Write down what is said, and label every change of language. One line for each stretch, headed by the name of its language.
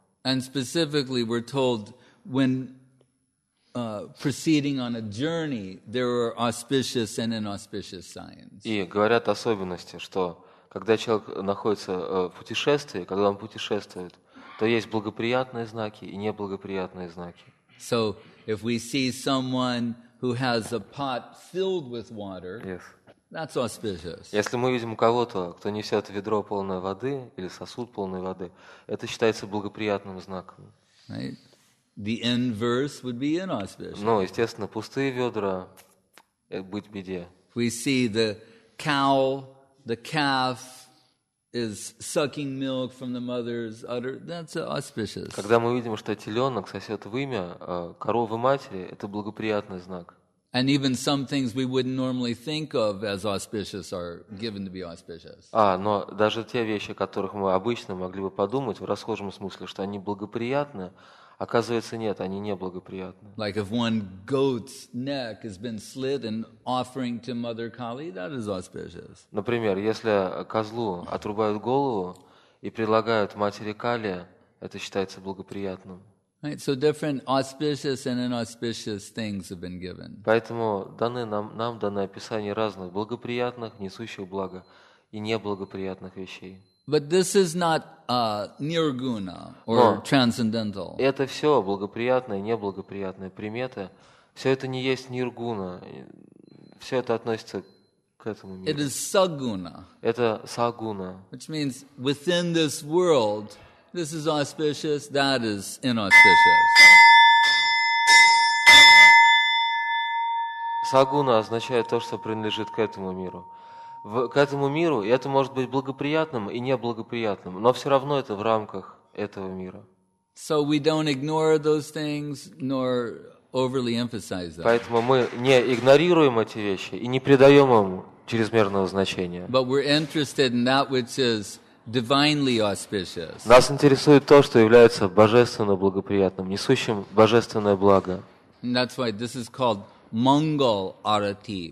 English: And specifically, we're told when proceeding on a journey, there are auspicious and inauspicious signs.
Russian: И говорят особенности, что когда человек находится в путешествии, когда он путешествует, то есть благоприятные знаки и неблагоприятные знаки.
English: So, if we see someone who has a pot filled with water, yes, that's auspicious.
Russian: Если мы видим кого-то, кто несет ведро полное воды или сосуд полный воды, это считается благоприятным знаком.
English: Right? The inverse would be inauspicious.
Russian: Ну, естественно, пустые ведра быть беде.
English: If we see the cow, the calf is sucking milk from the mother's udder, that's auspicious.
Russian: Когда мы видим, что теленок сосет вымя коровы матери, это благоприятный знак.
English: And even some things we wouldn't normally think of as auspicious are given to be auspicious.
Russian: А, но даже те вещи, о которых мы обычно могли бы подумать в расхожем смысле, что они благоприятны, оказывается, нет, они не благоприятны.
English: Like if one goat's neck has been slit and offering to Mother Kali, that is auspicious.
Russian: Например, если козлу отрубают голову и предлагают матери Кали, это считается благоприятным.
English: Right, so different auspicious and inauspicious things have been given.
Russian: Поэтому даны нам даны описания разных благоприятных, несущих благо, и неблагоприятных вещей.
English: But this is not nirguna or transcendental.
Russian: Это все благоприятные, неблагоприятные приметы. Все это не есть ниргуна. Все это относится к этому миру.
English: It is saguna.
Russian: Это сагуна.
English: Which means within this world. This is auspicious, that is inauspicious.
Russian: Сагуна означает то, что принадлежит к этому миру. К этому миру, и это может быть благоприятным и неблагоприятным, но все равно это в рамках этого мира.
English: So we don't ignore those things, nor overly emphasize them.
Russian: Поэтому мы не игнорируем эти вещи и не придаем им чрезмерного значения.
English: But we're interested in that which is divinely auspicious.
Russian: Нас интересует то, что является божественно благоприятным, несущим божественное благо.
English: And that's why this is called Mangal Arati.